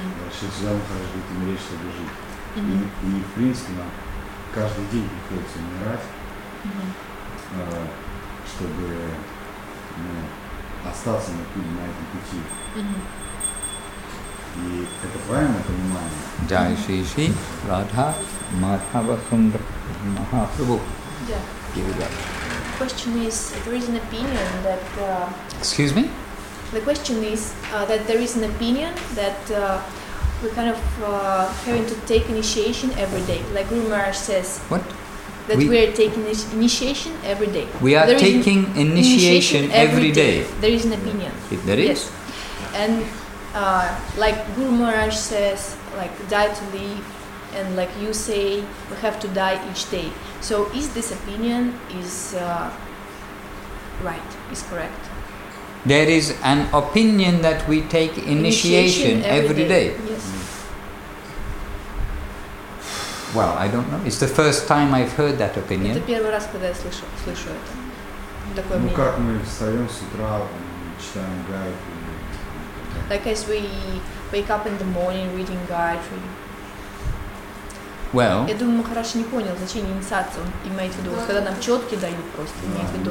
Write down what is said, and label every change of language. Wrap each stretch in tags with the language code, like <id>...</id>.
<ru>Шриджа Махарадж говорит, умереть, чтобы жить. И, в принципе, нам каждый день приходится умирать, чтобы остаться на этом пути. И это правильно понимание? Джай Шри Шри Радха Мадхава Сундра Махапрабху.</ru> <en>The question is, there is an opinion that... Excuse me? The question is that there is an opinion that we kind of having to take initiation every day. Like Guru Maharaj says... What? That we are taking initiation every day. We are taking initiation every day. There is an opinion. If there is? Yes. And like Guru Maharaj says, like die to live, and like you say, we have to die each day. So is this opinion is right, is correct? There is an opinion that we take initiation every day. Yes. Well, I don't know. It's the first time I've heard that opinion.</en> <ru>Это первый раз, когда я слышу это. Такое мнение. Ну как мы встаем с утра, читаем гайд.</ru> <en>Like as we wake up in the morning reading гайд, reading. Well,</en> <ru>я думаю, Махараш не понял, зачем инициация, он имеет в виду, когда нам четки дают просто, имеет в виду</ru>